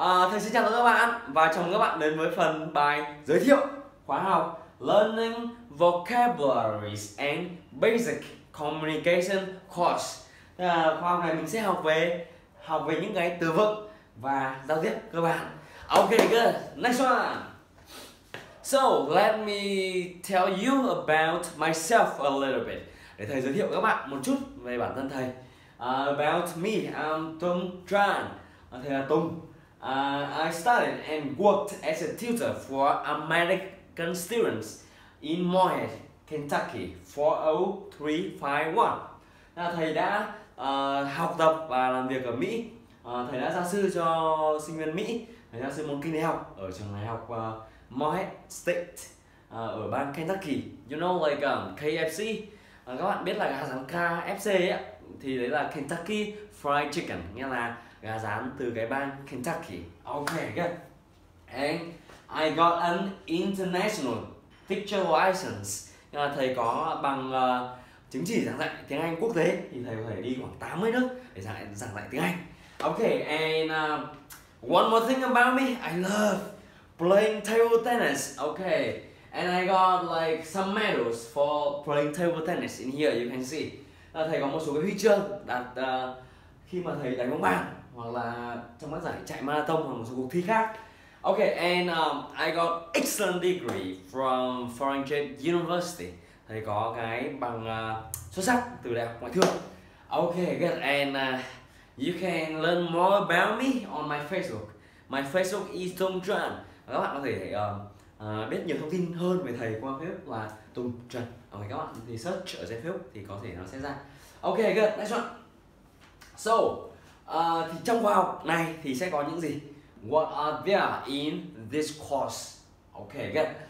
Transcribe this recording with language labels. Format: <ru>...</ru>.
<vi>Thầy xin chào tất cả các bạn và chào mừng các bạn đến với phần bài giới thiệu khóa học Learning Vocabularies and Basic Communication course. Khóa học này mình sẽ học về những cái từ vựng và giao tiếp cơ bản.</vi> <en>Okay, good. Next one. So let me tell you about myself a little bit.</en> <vi>Để thầy giới thiệu các bạn một chút về bản thân thầy.</vi> <en>About me, I'm Tung Tran.</en> <vi>Thầy là Tung.</vi> <en>I studied and worked as a tutor for American students in Morehead, Kentucky, 40351.</en> <vi>Thầy đã học tập và làm việc ở Mỹ. Thầy đã gia sư cho sinh viên Mỹ. Thầy gia sư môn kinh đại học ở trường đại học Morehead State ở bang Kentucky.</vi> <en>You know, like KFC.</en> <vi>Các bạn biết là gà rán KFC ấy ạ. Thì đấy là Kentucky Fried Chicken, nghĩa là gà rán từ cái bang Kentucky.</vi> <en>Okay, good. And I got an international teacher license.</en> <vi>Nghĩa là thầy có bằng chứng chỉ giảng dạy tiếng Anh quốc tế. Thì thầy có thể đi khoảng 80 nước để giảng dạy tiếng Anh.</vi> <en>Okay, and one more thing about me, I love playing table tennis. Okay, and I got like some medals for playing table tennis in here, you can see.</en> <vi>Thầy có một số cái huy chương đạt khi mà thầy đánh bóng bàn hoặc là trong các giải chạy marathon hoặc một số cuộc thi khác.</vi> <en>Okay, and I got excellent degree from Foreign Trade University.</en> <vi>Thầy có cái bằng xuất sắc từ đại học ngoại thương.</vi> <en>Okay, good. And you can learn more about me on my Facebook. My Facebook is Tung Tran.</en> <vi>Các bạn có thể biết nhiều thông tin hơn về thầy qua Facebook là Tung Tran. Okay, các bạn thì search ở trên Facebook thì có thể nó sẽ ra.</vi> <en>Okay, good. Next one. So,</en> <vi>thì trong khóa học này thì sẽ có những gì?</vi> <en>What are there in this course? Okay, good.</en>